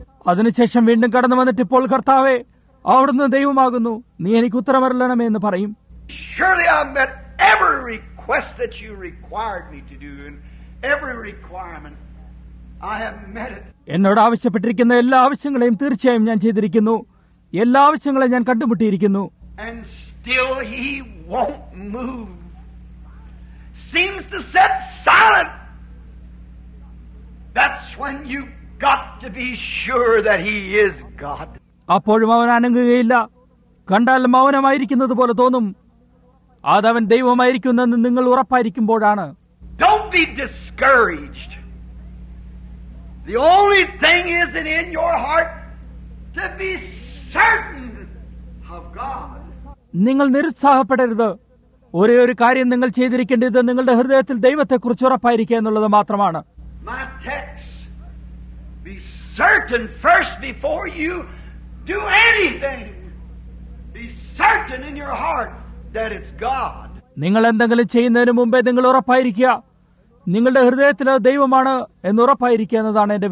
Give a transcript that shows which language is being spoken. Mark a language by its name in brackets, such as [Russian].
[Malayalam] അതിനുശേഷം വീണ്ടും കടന്നു വന്നിട്ട് ഇപ്പോൾ കർത്താവേ, അവിടുന്ന് ദൈവമാകുന്നു, നീ എനിക്ക് ഉത്തരമറിയണമേ എന്ന് പറയും. [English] Surely I met every request that you required me to do and every requirement I have met it. [Malayalam] എന്നോട് ആവശ്യപ്പെട്ടിരിക്കുന്ന എല്ലാ ആവശ്യങ്ങളെയും തീർച്ചയായും ഞാൻ ചെയ്തിരിക്കുന്നു, എല്ലാ ആവശ്യങ്ങളെയും ഞാൻ കണ്ടുമുട്ടിയിരിക്കുന്നു. [English] And still he won't move. Seems to sit silent. That's when you got to be sure that he is God. [Malayalam] അപ്പോഴും അവൻ അനങ്ങുകയില്ല, കണ്ടാൽ മൗനമായിരിക്കുന്നത് പോലെ തോന്നും. അതവൻ ദൈവമായിരിക്കുന്നെന്ന് നിങ്ങൾ ഉറപ്പായിരിക്കുമ്പോഴാണ്. [English] Don't be discouraged. The only thing is in your heart to be certain of God. [Malayalam] നിങ്ങൾ നിരുത്സാഹപ്പെടരുത്. ഒരേ ഒരു കാര്യം നിങ്ങൾ ചെയ്തിരിക്കേണ്ടത് നിങ്ങളുടെ ഹൃദയത്തിൽ ദൈവത്തെ കുറിച്ച് ഉറപ്പായിരിക്കുക എന്നുള്ളത് മാത്രമാണ്. [English] My text, be certain first before you do anything. Be certain in your heart that it's God. [Malayalam] നിങ്ങൾ എന്തെങ്കിലും ചെയ്യുന്നതിന് മുമ്പേ നിങ്ങൾ ഉറപ്പായിരിക്കുക. നിങ്ങളുടെ ഹൃദയത്തിൽ ദൈവമാണ് എന്ന് ഉറപ്പായിരിക്കുക എന്നതാണ് എന്റെ